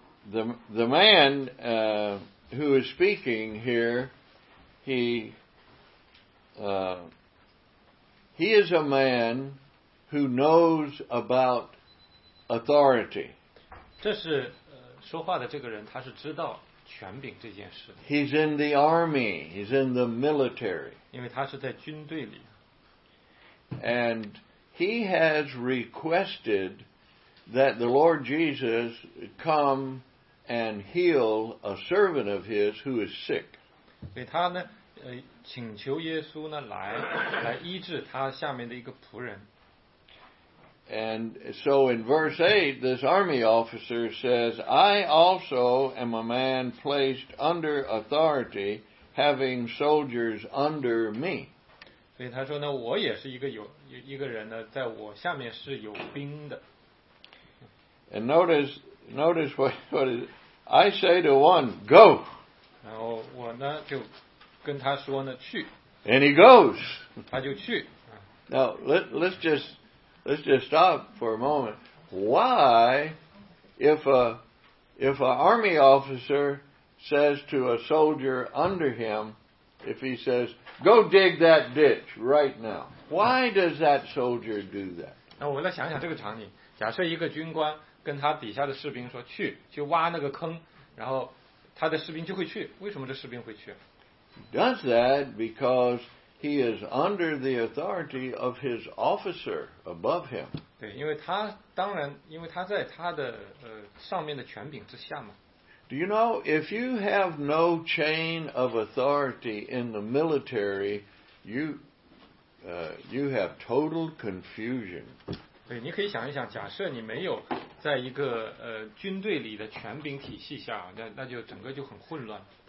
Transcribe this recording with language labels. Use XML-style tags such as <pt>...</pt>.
<en>The man who is speaking here, he is a man who knows about authority.</en> <zh>这是说话的这个人，他是知道。</zh> <en>He's in the army. He's in the military.</en> <zh>因为他是在军队里。</zh> <en>And he has requested that the Lord Jesus come and heal a servant of his who is sick.</en> <zh>所以他呢，请求耶稣呢来医治他下面的一个仆人。</zh> <en>And so in verse 8, this army officer says, I also am a man placed under authority, having soldiers under me.</en> <zh>所以他说呢，我也是一个人呢，在我下面是有兵的。</zh> <en>And notice what is it? I say to one, go.</en> <zh>然后我呢，就跟他说呢，去。</zh> <en>And he goes.</en> <zh>他就去。</zh> <en>Now, let's just stop for a moment. Why, if a army officer says to a soldier under him, if he says, go dig that ditch right now, why does that soldier do that?</en> <zh>那我来想想这个场景。假设一个军官跟他底下的士兵说去，去挖那个坑，然后他的士兵就会去。为什么这士兵会去？</zh> <en>Does that because he is under the authority of his officer above him?</en> <zh>对，因为他当然，因为他在他的上面的权柄之下嘛。</zh> <en>Do you know if you have no chain of authority in the military, you have total confusion.</en> <zh>对，你可以想一想，假设你没有在一个军队里的权柄体系下，那就整个就很混乱。</zh>